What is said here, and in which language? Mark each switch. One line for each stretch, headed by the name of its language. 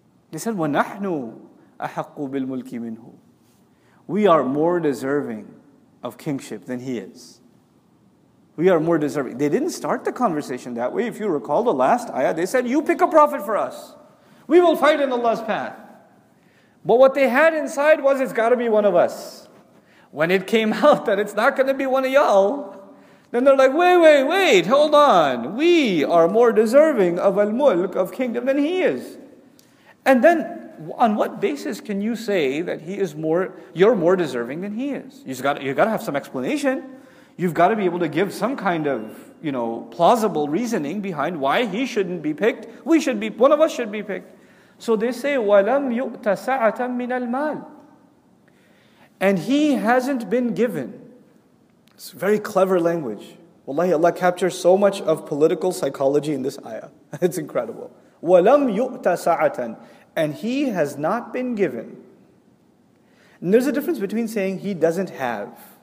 English: They said,
Arabic: وَنَحْنُ أَحَقُّ بِالْمُلْكِ مِنْهُ.
English: We are more deserving of kingship than he is. We are more deserving. They didn't start the conversation that way. If you recall the last ayah, they said, you pick a prophet for us. We will fight in Allah's path. But what they had inside was, it's got to be one of us. When it came out that it's not going to be one of y'all, then they're like, wait, wait, wait, hold on. We are more deserving of al-mulk, of kingdom, than he is. And then, on what basis can you say that he is more, you're more deserving than he is? You've got to have some explanation. You've got to be able to give some kind of, you know, plausible reasoning behind why he shouldn't be picked. We should be, one of us should be picked. So they say,
Arabic: وَلَمْ يُؤْتَ سَعَةً مِنَ الْمَالِ.
English: And he hasn't been given. It's very clever language. Wallahi, Allah captures so much of political psychology in this ayah. It's incredible.
Arabic: وَلَمْ يُؤْتَ سَعَةً.
English: And he has not been given. And there's a difference between saying he doesn't have.